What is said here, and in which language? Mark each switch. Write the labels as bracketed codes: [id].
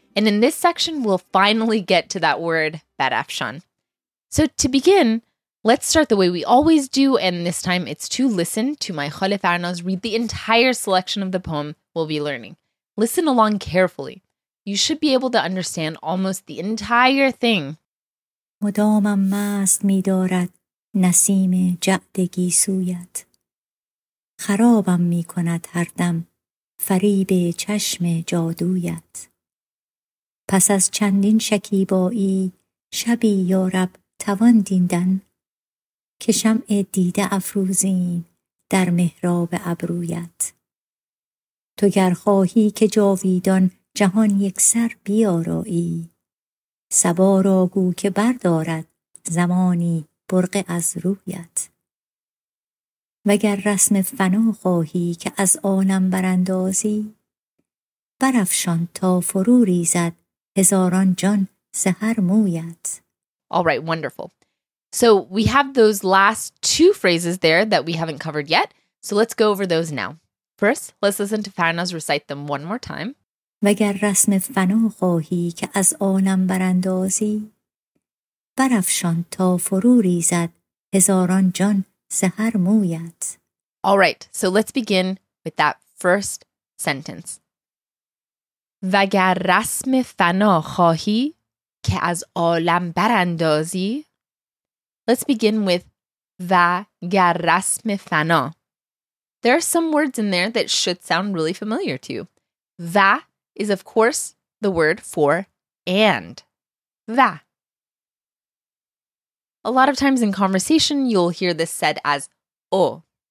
[en] And in this section, we'll finally get to that word, Badafshan. So to begin, let's start the way we always do, and this time it's to listen to my Khalif Arnaz read the entire selection of the poem we'll be learning. Listen along carefully. You should be able to understand almost the entire thing. [fa] مدامم مست می‌دارد نسیم جعد گیسویت خرابم می کند هر دم فریب چشم جادویت پس از چندین شکیبایی شبی یارب توان دیدن که شمع دیده افروزیم در محراب ابرویت تو گر خواهی که جاویدان جهان یک سر بیارایی صبا را گو که بردارد زمانی برق از رویت وگر رسم فنا خواهی که از عالم براندازی برفشان تا فرو ریزد هزاران جان سحر مویت. [en] All right, wonderful. So we have those last two phrases there that we haven't covered yet. So let's go over those now. First, let's listen to Farnaz recite them one more time. [fa] وگر رسم فنا خواهی که از عالم براندازی برفشان تا فرو ریزد هزاران جان سحر مویت. [en] All right, so let's begin with that first sentence. [fa] وگر رسم فنا خواهی که از عالم براندازی. [en] Let's begin with [fa] وگر رسم فنا. [en] There are some words in there that should sound really familiar to you. و is of course the word for and. [fa] و. [en] A lot of times in conversation, you'll hear this said as o.